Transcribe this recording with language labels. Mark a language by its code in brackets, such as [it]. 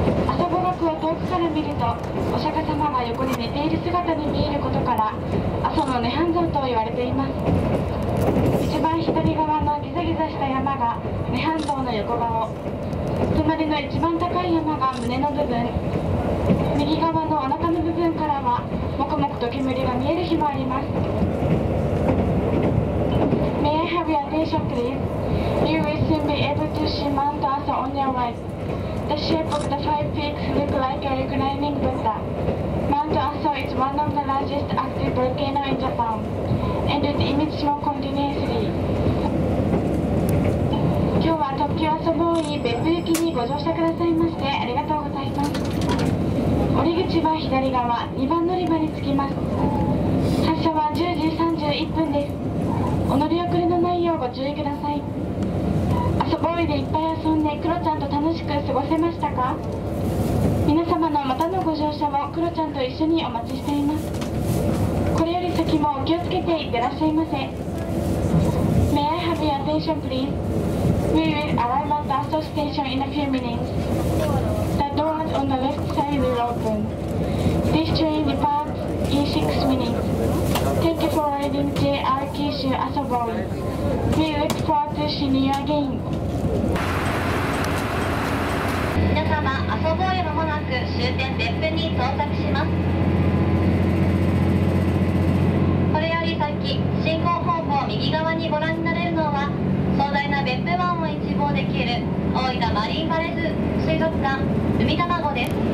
[ja] 阿蘇五岳を遠くから見るとお釈迦様が横に寝ている姿に見えることから、阿蘇の涅槃像と言われています。一番左側のギザギザした山が涅槃像の横顔、隣の一番高い山が胸の部分、右側のお腹の部分からはもくもくと煙が見える日もあります。 [en] May I have your attention please? You will soon be able to see Mount Aso on your right. The shape of the five peaks look like a reclining Buddha. Mount Aso is one of the largest active volcano in Japan, and it emits smoke continuously. [ja] 今日は特急阿蘇ボーイ別府行きにご乗車くださいましてありがとうございます。降り口は左側2番乗り場に着きます。発車は10時31分です。お乗り遅れのないようご注意ください。アソボーイでいっぱい遊んでクロちゃんと楽しく過ごせましたか？皆様のまたのご乗車もクロちゃんと一緒にお待ちしています。これより先もお気をつけていってらっしゃいませ。 [en] May I have your attention please? We will arrive at the Aso station in a few minutes. The doors on the left side will open. This train departs in 6 minutes. Thank you for riding JR Kishu Aso Boy. We look forward to seeing you again. [ja] 皆様、アソボーイまもなく終点別府に到着します。これより先進行方向右側にご覧になれるのは、壮大な別府湾を一望できる大分マリンパレス水族館海たまごです。